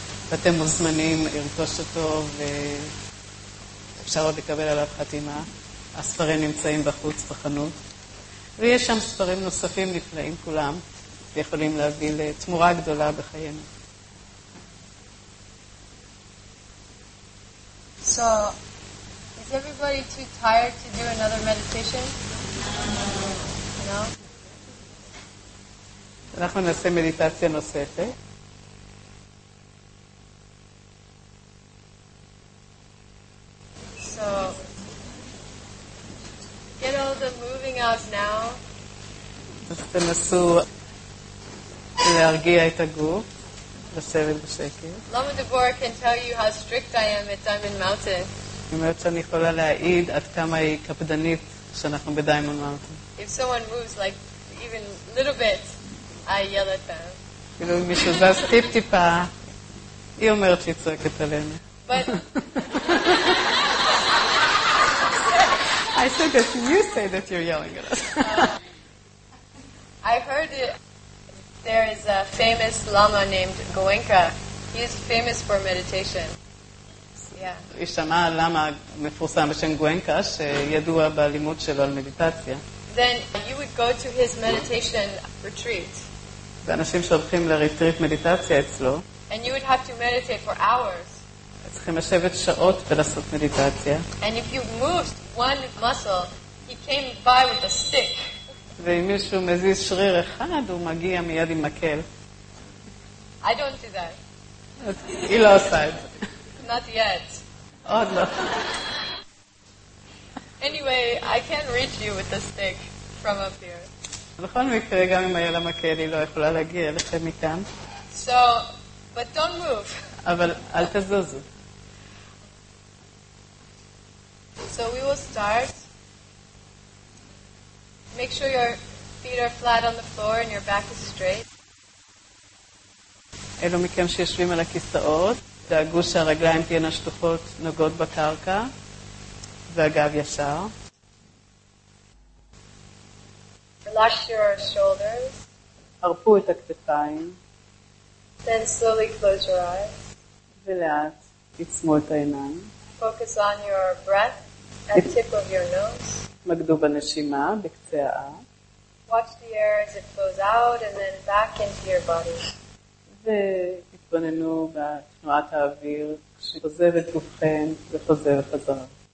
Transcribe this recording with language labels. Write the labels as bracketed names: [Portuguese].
[Hebrew] ואתם מוזמנים לרכוש אותו, ואפשר עוד לקבל עליו חתימה. הספרים נמצאים בחוץ, בחנות. ויש שם ספרים נוספים נפלאים כולם, ויכולים להביא לתמורה גדולה בחיינו. [English] So, is everybody too tired to do another meditation? No? [Hebrew] אנחנו נעשה מדיטציה נוספת. [English] So, get all the moving out now. [Hebrew] אז תנסו להרגיע את הגוף. לשבת בשקט. [English] Lama Dvora can tell you how strict I am at Diamond Mountain. [Hebrew] היא אומרת שאני יכולה להעיד עד כמה היא קפדנית שאנחנו בדיימון מאונטן. [English] If someone moves like even a little bit, I yell at them. [Hebrew] כאילו אם מישהו זז טיפ טיפה, היא אומרת שהיא צועקת עלינו. [English] But... I said that you say that you're yelling at us. I heard it. There is a famous lama named Goenka. He is famous for meditation. Yeah. [Hebrew] ישמה לאמה מפורסם בשם גואנקה שידוע בלימוד שלו על מדיטציה. [English] Then you would go to his meditation retreat. [Hebrew] זה אנשים שהולכים לריטריט מדיטציה אצלו. [English] And you would have to meditate for hours. [Hebrew] צריכים לשבת שעות ולעשות מדיטציה. [English] And if you moved one muscle, he came by with a stick. [Hebrew] ואם מישהו מזיז שריר אחד, הוא מגיע מיד עם מקל. [English] I don't do that. [Hebrew] היא לא עושה את זה. [English] Not yet. [Hebrew] עוד לא. [English] Anyway, I can't reach you with a stick from up here. [Hebrew] בכל מקרה, גם אם היה לה מקל, היא לא יכולה להגיע לכם מכאן. [English] So, but don't move. [Hebrew] אבל אל תזוזו. [English] So we will start. Make sure your feet are flat on the floor and your back is straight. [Hebrew] אלו מכם שיושבים על הכיסאות, דאגו שהרגליים תהיינה שטוחות, נוגעות בקרקע, והגב ישר. [English] Relax your shoulders. [Hebrew] הרפו את הכתפיים. [English] Then slowly close your eyes. [Hebrew] ולאט, עצמו את העיניים. [English] Focus on your breath at the tip of your nose. [Hebrew] מקדו בנשימה בקצה האף. [English] Watch the air as it flows out and then back into your body. [Hebrew] והתבוננו בתנועת האוויר כשחוזר את גופכם וחוזר חזרה.